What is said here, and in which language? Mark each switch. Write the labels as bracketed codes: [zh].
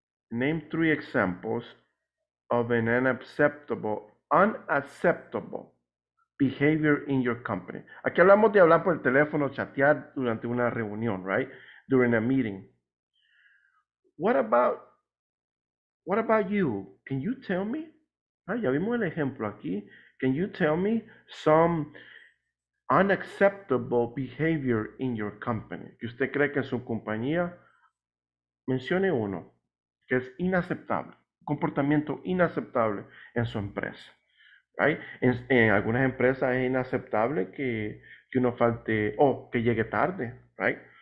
[en] Name three examples of an unacceptable behavior in your company. [es] Aquí hablamos de hablar por el teléfono, chatear durante una reunión, right? [en] During a meeting. What about you? Can you tell me? [es] Ah, ya vimos el ejemplo aquí. [en] Can you tell me some unacceptable behavior in your company? [es] Que usted cree que en su compañía, mencione uno, que es inaceptable, comportamiento inaceptable en su empresa, right? En algunas empresas es inaceptable que uno falte, que llegue tarde, right?